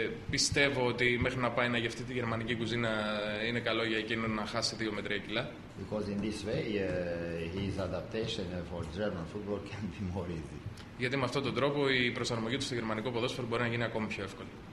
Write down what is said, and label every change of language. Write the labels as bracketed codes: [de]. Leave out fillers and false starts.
[el] Πιστεύω ότι μέχρι να πάει να γευτεί τη γερμανική κουζίνα είναι καλό για εκείνον να χάσει 2-3 κιλά. [en] Because in this way his adaptation for German football can be more easy. [el] Γιατί με αυτόν τον τρόπο η προσαρμογή του στο γερμανικό ποδόσφαιρο μπορεί να γίνει ακόμη πιο εύκολη.